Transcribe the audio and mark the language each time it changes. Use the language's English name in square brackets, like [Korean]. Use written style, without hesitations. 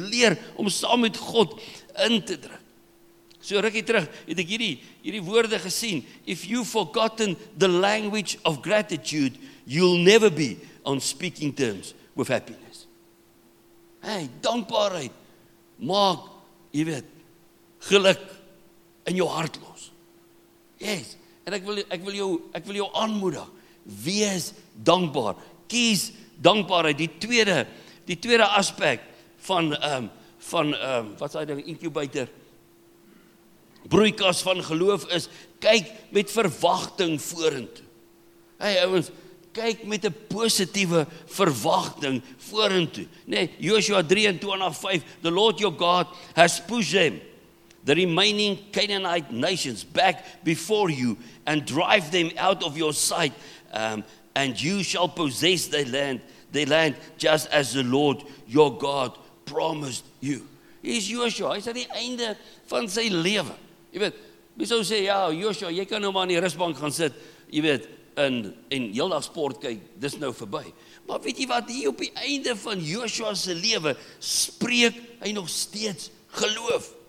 [Afrikaans] Leer om saam met God in te druk. So rukkie terug, het ek hierdie woorde gesien. [English] If you've forgotten the language of gratitude, you'll never be on speaking terms with happiness. [Afrikaans] Hey, dankbaarheid, maak, jy weet, geluk in jou hart los. Yes, en ek wil jou aanmoedig, wees dankbaar, kies dankbaarheid, die tweede aspek van wat is die ding, incubator, broeikas van geloof is, kyk met verwagting vorentoe. Hey, ouwens, kyk met 'n positiewe verwagting vorentoe. [English] Nee, Joshua 23:5, the Lord your God has pushed them, the remaining Canaanite nations, back before you and drive them out of your sight, and you shall possess their land just as the Lord your God promised you. [Afrikaans] Is Joshua, is aan die einde van sy lewe. Jy weet, mense sou sê, ja, Joshua, jy kan nou maar in die rusbank gaan sit, jy weet, en heel dag sport kyk, dis nou verby. Maar weet jy wat, hier op die einde van Joshua se lewe, spreek hy nog steeds geloof.